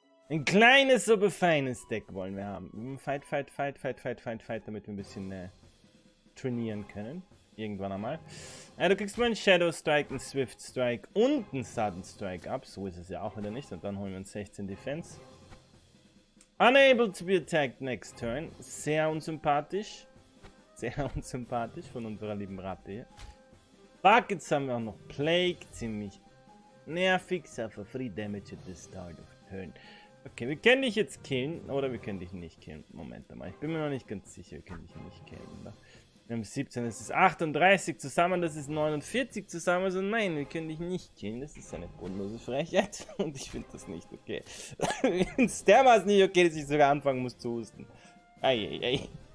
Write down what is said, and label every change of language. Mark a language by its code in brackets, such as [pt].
[de] Ein kleines, aber feines Deck wollen wir haben. Fight, damit wir ein bisschen trainieren können. Irgendwann einmal. Du kriegst mal einen Shadow Strike, einen Swift Strike und einen Sudden Strike ab. So ist es ja auch wieder nicht. Und dann holen wir uns 16 Defense. [en] Unable to be attacked next turn. [de] Sehr unsympathisch. Sehr unsympathisch von unserer lieben Ratte hier. Buckets haben wir auch noch. Plague, ziemlich nervig. [en] Suffer free damage at the start of turn. [de] Okay, wir können dich jetzt killen. Oder wir können dich nicht killen. Moment mal, ich bin mir noch nicht ganz sicher. Wir können dich nicht killen, oder? Wir haben 17, das ist 38 zusammen, das ist 49 zusammen. Also nein, wir können dich nicht killen. Das ist eine grundlose Frechheit. Und ich finde das nicht okay. Ich finde es dermaßen nicht okay, dass ich sogar anfangen muss zu husten. Eieiei.